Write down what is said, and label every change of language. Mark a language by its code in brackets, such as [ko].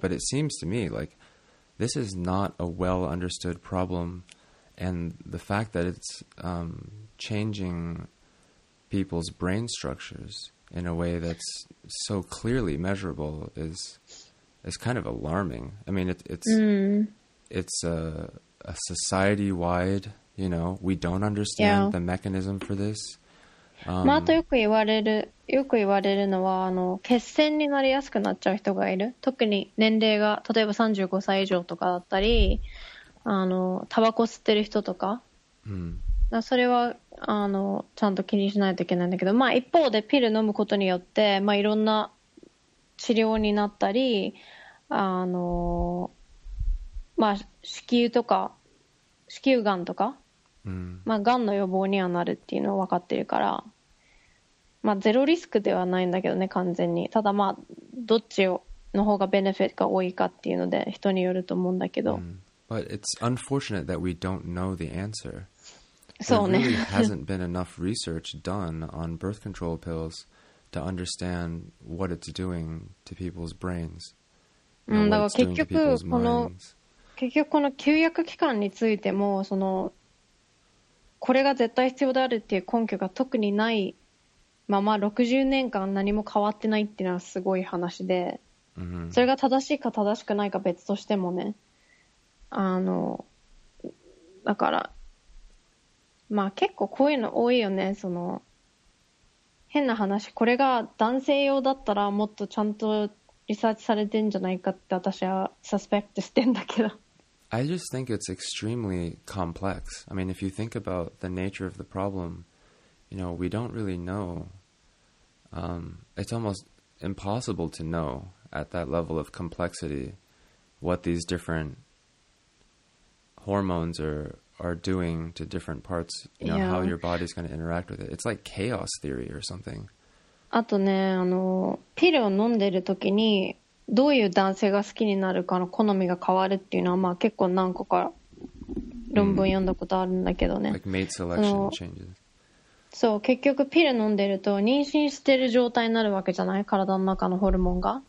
[en] But it seems to me like this is not a well understood problem, and the fact that it's changing people's brain structures in a way that's so clearly measurable is kind of alarming. I mean, it's a society-wide, you know, we don't understand the mechanism for this. [ja] まあ、あとよく言われるのは、あの、血栓になりやすくなっちゃう人がいる。特に年齢が、例えば35歳以上とかだったり、あの、タバコ吸ってる人とか。それは、あの、ちゃんと気にしないといけないんだけど、まあ一方でピル飲むことによって、まあいろんな治療になったり、あの、まあ、子宮とか子宮がんとか、まあ、がんの予防にはなるっていうのは分かってるから、まあ、ゼロリスクではないんだけどね、完全に。ただ、まあ、どっちの方がベネフィットが多いかっていうので人によると思うんだけど、 [en] But it's unfortunate that we don't know the answer. [ja] そうね。 [en] There really hasn't been enough research done on birth control pills to understand what it's doing to people's brains. [ja] だから結局この結局この休薬期間についてもそのこれが絶対必要であるっていう根拠が特にないまま60年間何も変わってないっていうのはすごい話で、それが正しいか正しくないか別としてもね、あのだからまあ結構こういうの多いよね、その変な話、これが男性用だったらもっとちゃんとリサーチされてんじゃないかって私はサスペクトしてんだけど。 [en] I just think it's extremely complex. I mean, if you think about the nature of the problem, you know, we don't really know. It's almost impossible to know at that level of complexity what these different hormones are doing to different parts, you know, how your body's going to interact with it. It's like chaos theory or something. [ja] あとね、あの、ピルを飲んでる時にどういう男性が好きになるかの好みが変わるっていうのは、まあ、結構何個か論文読んだことあるんだけどね。 [en] Like mate selection changes. [ja] そう、結局ピル飲んでると妊娠してる状態になるわけじゃない、体の中のホルモンが。